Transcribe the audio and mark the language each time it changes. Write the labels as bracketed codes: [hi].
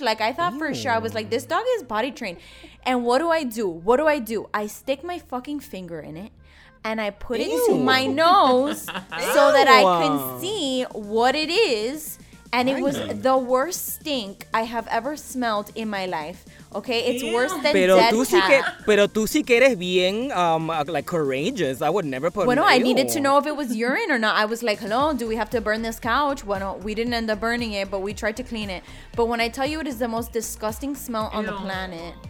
[en] Like I thought for sure, I was like, this dog is potty trained. And what do I do? What do I do? I stick my fucking finger in it. And I put it to my nose so that I can see what it is. And it was the worst stink I have ever smelled in my life. Okay? It's worse than [es] pero [en] dead [es] tú [en] cat. [es] Sí que, pero tú sí que eres bien, like, courageous. [en] I would never put... Bueno, I needed to know if it was urine or not. I was like, hello, do we have to burn this couch? Bueno, we didn't end up burning it, but we tried to clean it. But when I tell you it is the most disgusting smell on the planet...